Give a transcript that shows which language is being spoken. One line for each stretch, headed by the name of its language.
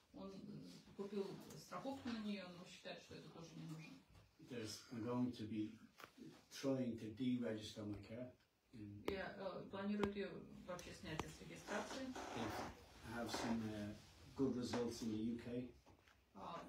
Russian: Он купил страховку на нее, но считает, что это тоже не нужно.
English: I'm going to be trying to deregister my car.
Russian: Я планирую ее вообще снять с регистрации.
English: If I have some good results in the UK.